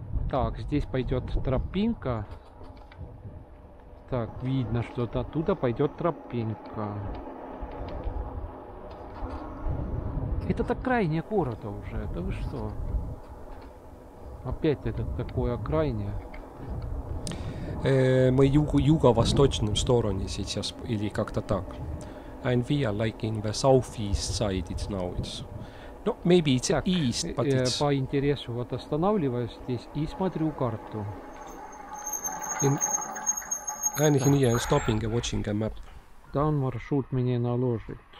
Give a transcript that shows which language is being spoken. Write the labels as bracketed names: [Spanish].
[Russian] Так, здесь пойдет тропинка. Так, видно, что оттуда пойдет тропинка. Это-то крайнее города уже, да вы что? Опять это такое крайнее. Мы юго-восточном стороне сейчас, или как-то так. [English] And we are like in the southeast side it's now. It's, no, maybe it's [Russian] так, [English] east, but it's... [Russian] По интересу вот останавливаюсь здесь и смотрю карту. [English] Anything here, yeah, stopping and watching a map. [Russian] Там маршрут мне наложит.